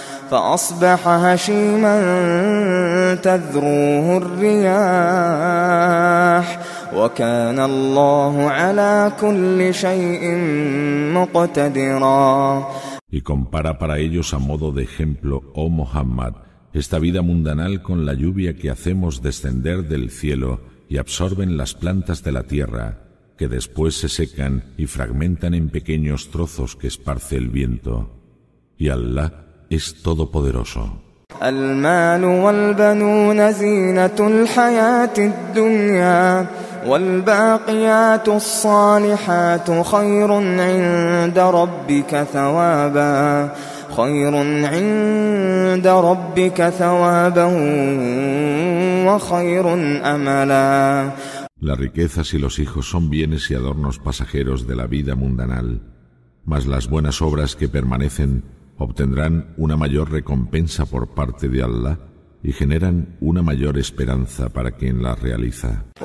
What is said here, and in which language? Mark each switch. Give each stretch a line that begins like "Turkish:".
Arabic: فأصبح هشيما تذروه الرياح وكان الله على كل شيء مقتدرا.
Spanish: Y compara para ellos a modo de ejemplo, oh Muhammad, esta vida mundanal con la lluvia que hacemos descender del cielo y absorben las plantas de la tierra, que después se secan y fragmentan en pequeños trozos que esparce el viento. Y Allah es todopoderoso.
Arabic: المال والبنون زينة الحياة الدنيا والباقيات الصالحات خير عند ربك ثوابا وخير أملا.
Spanish: Las riquezas y los hijos son bienes y adornos pasajeros de la vida mundanal, mas las buenas obras que permanecen obtendrán una mayor recompensa por parte de Allah y generan una mayor esperanza para quien las realiza.